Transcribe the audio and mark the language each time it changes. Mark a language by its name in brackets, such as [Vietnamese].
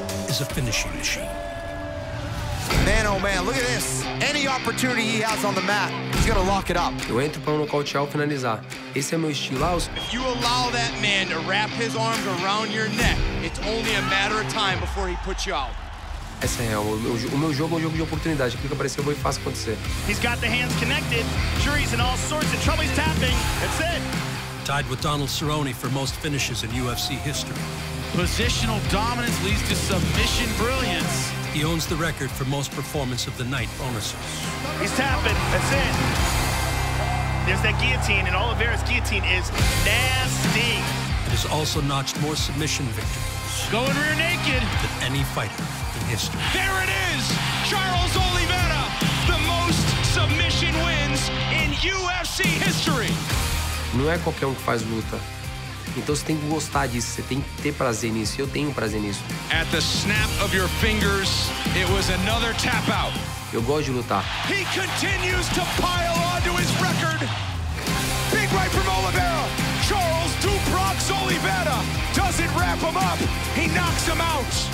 [English] Is a finishing machine. Man, oh man, look at this. Any opportunity he has on the mat, he's gonna lock it up. [Portuguese] Eu entro para nocautear ou finalizar. Esse é meu estilo. [English] If you allow that man to wrap his arms around your neck, it's only a matter of time before he puts you out. [Portuguese] Essa é, o meu jogo é um jogo de oportunidade. Aquilo que aparecer, eu vou e faço acontecer. [English] He's got the hands connected. Jury's in all sorts of trouble. He's tapping. That's it. Tied with Donald Cerrone for most finishes in UFC history. Positional dominance leads to submission brilliance. He owns the record for most performance of the night bonuses. He's tapping, that's it. There's that guillotine, and Oliveira's guillotine is nasty. It has also notched more submission victories. Going rear naked. Than any fighter in history. There it is, Charles Oliveira, the most submission wins in UFC history. [Portuguese] Não é qualquer um que faz luta. Então você tem que gostar disso, você tem que ter prazer nisso. Eu tenho prazer nisso. [English] At the snap of your fingers, it was another tap out. [Portuguese] Eu gosto de lutar. [English] He continues to pile onto his record. Big right from Oliveira. Charles Duprox Oliveira doesn't wrap him up. He knocks him out.